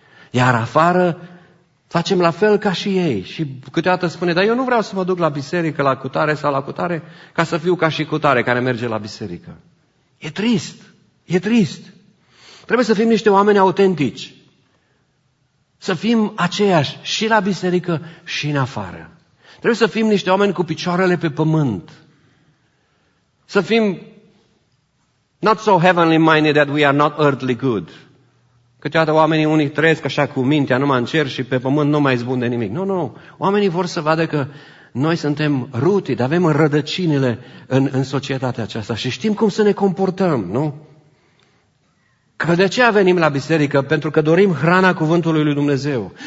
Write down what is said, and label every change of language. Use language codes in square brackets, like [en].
[ro] Iar afară facem la fel ca și ei și câteodată spune, dar eu nu vreau să mă duc la biserică, la cutare sau la cutare, ca să fiu ca și cutare care merge la biserică. E trist, e trist. Trebuie să fim niște oameni autentici. Să fim aceiași și la biserică și în afară. Trebuie să fim niște oameni cu picioarele pe pământ. Să fim [en] not so heavenly minded that we are not earthly good. [ro] Câteodată oamenii unii trăiesc așa cu mintea numai în cer și pe pământ nu mai zbun de nimic. Nu, nu. Oamenii vor să vadă că noi suntem rooted, avem rădăcinile în societatea aceasta și știm cum să ne comportăm, nu? Că de aceea venim la biserică? Pentru că dorim hrana cuvântului lui Dumnezeu.